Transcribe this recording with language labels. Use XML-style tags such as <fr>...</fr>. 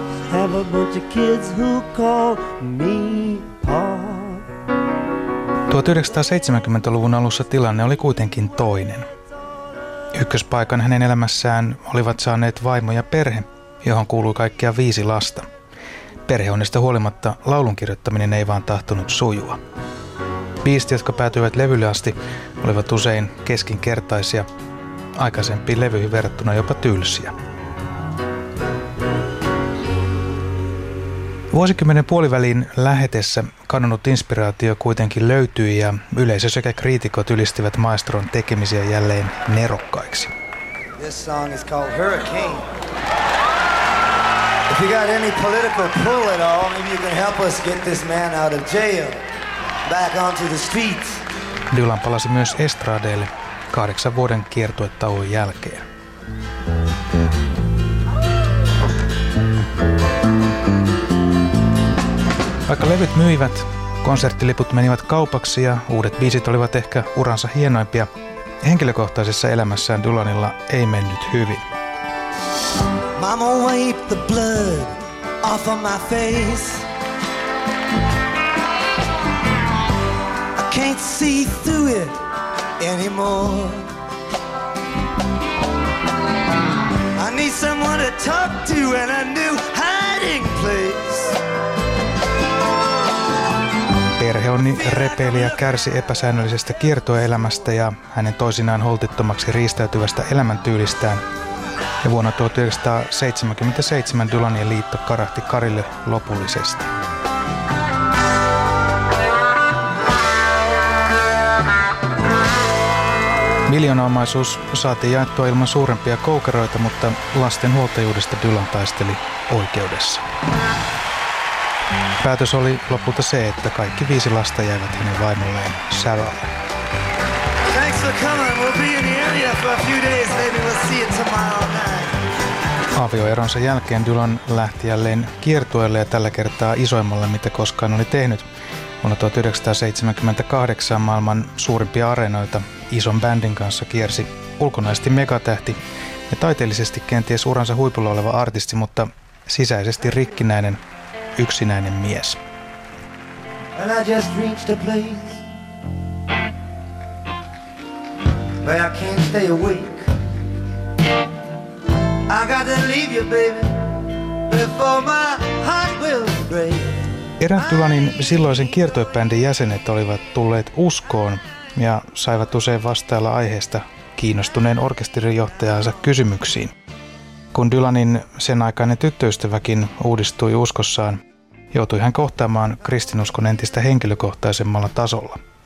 <en>Have a bunch of kids who call me pa.</en> <fi>1970-luvun alussa tilanne oli kuitenkin toinen. Ykköspaikan hänen elämässään olivat saaneet vaimo ja perhe, johon kuului kaikkia 5 lasta. Perheonnesta huolimatta laulun kirjoittaminen ei vaan tahtonut sujua. Biisit, jotka päätyivät levylle asti, olivat usein keskinkertaisia, aikaisempiin levyihin verrattuna jopa tylsiä. Vuosikymmenen puolivälin lähetessä kadonnut inspiraatio kuitenkin löytyi ja yleisö sekä kriitikot ylistivät maestron tekemisiä jälleen nerokkaiksi.</fi> <en>This song is called Hurricane. If you got any political pull at all, maybe you can help us get this man out of jail, back onto the streets.</en> <fi>Dylan palasi myös estradeille 8 vuoden kiertuetauon jälkeen. Vaikka levyt myivät, konserttiliput menivät kaupaksi ja uudet biisit olivat ehkä uransa hienoimpia, henkilökohtaisessa elämässään Dylanilla ei mennyt hyvin.</fi> <en>Mama wiped the blood off of my face. I can't see through it anymore. I need someone to talk to in a new hiding place.</en> <fi>Perheonni repeliä kärsi epäsäännöllisestä kiertoelämästä ja hänen toisinaan holtittomaksi riistäytyvästä elämäntyylistään. Ja vuonna 1977 Dylanin liitto karahti karille lopullisesti. Miljoonaomaisuus saatiin jaettua ilman suurempia koukeroita, mutta lasten huoltajuudesta Dylan taisteli oikeudessa. Päätös oli lopulta se, että kaikki 5 lasta jäivät hänen vaimolleen Sarahlle.</fi> <en>Thanks for coming. We'll be in the area for a few days. Maybe we'll see you tomorrow.</en> <fi>Avioeronsa jälkeen Dylan lähti jälleen kiertueelle ja tällä kertaa isoimmalle, mitä koskaan oli tehnyt. Vuonna 1978 maailman suurimpia areenoita ison bändin kanssa kiersi ulkonaisesti megatähti ja taiteellisesti kenties uransa huipulla oleva artisti, mutta sisäisesti rikkinäinen, yksinäinen mies.</fi> <en>And I just reached a place where I can't stay awake. I gotta leave you, baby, before my heart will break.</en> <fi>Erään Dylanin silloisen kiertuebändin jäsenet olivat tulleet uskoon ja saivat usein vastailla aiheesta kiinnostuneen orkesterinjohtajansa kysymyksiin. Kun Dylanin sen aikainen tyttöystäväkin uudistui uskossaan, joutui hän kohtaamaan kristinuskon entistä henkilökohtaisemmalla tasolla.</fi>